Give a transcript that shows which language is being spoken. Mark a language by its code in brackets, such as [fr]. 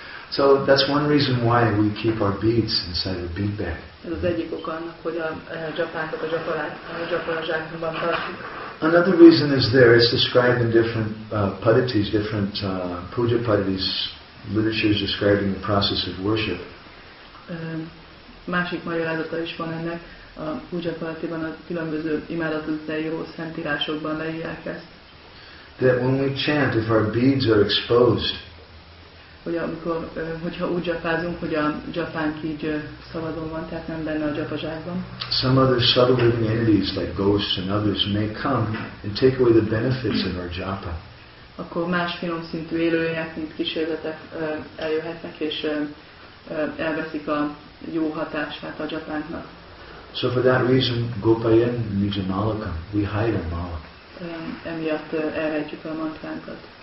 [en] So that's one reason why we keep our beads inside of a bead bag. [hu] Ez az egyik oka annak, hogy a japánkat a japalazsákban tartjuk. [en] Another reason is there, it's described in different padities, different puja padities. Literature is describing the process of worship. [hu] Másik magyarázata is van ennek. A puja padatiban a különböző imádatokban, jó szentírásokban leírják ezt. [en] That when we chant, if our beads are exposed, [hu] hogy amikor, hogyha úgy japázunk, hogy a japánk így szabadon van, tehát nem benne a japazsákban. [en] Some other subtle living entities like ghosts and others may come and take away the benefits of our japa. [hu] Akkor más finom szintű élőlények, mint kísérletek eljöhetnek, és elveszik a jó hatását a japánknak. [en] So for that reason, [sa] gopayan nijamalakam, [en] we hide a mala. [hu] Emiatt elrejtjük a mantránkat.